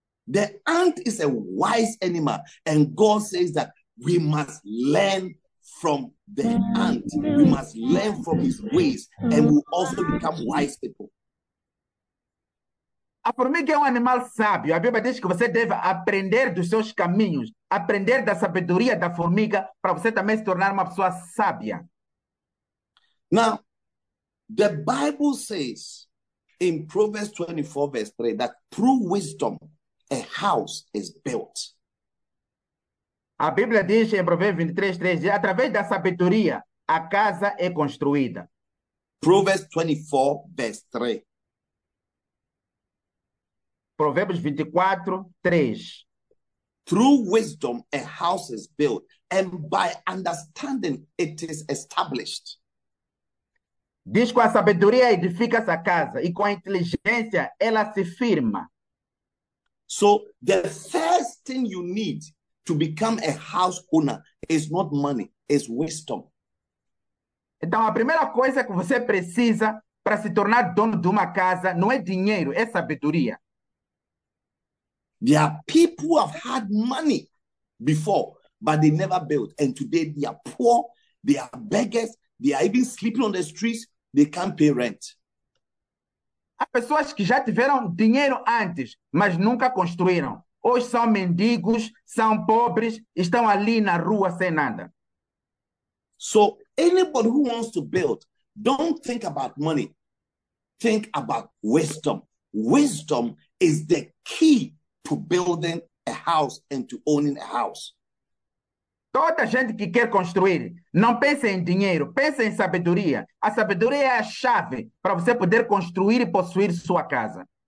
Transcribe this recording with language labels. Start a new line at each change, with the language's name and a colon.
English: The ant is a wise animal, and God says that we must learn from the ant. We must learn from his ways, and we also become wise people.
Portuguese: A formiga é um animal sábio. A Bíblia diz que você deve aprender dos seus caminhos, aprender da sabedoria da formiga para você também se tornar uma pessoa sábia.
English: Now, the Bible says in Proverbs 24, verse 3, that through wisdom a house is built.
Portuguese: A Bíblia diz em Provérbios 23:3, que através da sabedoria a casa é construída.
English: Proverbs 24, verse 3.
Portuguese: Provérbios 24:3.
English: Through wisdom a house is built, and by understanding it is established.
Portuguese: Diz com a sabedoria edifica-se a casa, e com a inteligência ela se firma.
English: So the first thing you need to become a house owner is not money, it's wisdom.
Portuguese: Então a primeira coisa que você precisa para se tornar dono de uma casa não é dinheiro, é sabedoria.
English: There are people who have had money before, but they never built. And today they are poor, they are beggars, they are even sleeping on the streets, they can't pay rent.
Portuguese: Há pessoas que já tiveram dinheiro antes, mas nunca construíram. Hoje são mendigos, são pobres, estão ali na rua sem nada.
English: So anybody who wants to build, don't think about money. Think about wisdom. Wisdom is the key to building a house and to owning a house.
Portuguese: Toda gente que quer construir, não pense em dinheiro, pense em sabedoria. A sabedoria é a chave para você poder construir e possuir sua casa.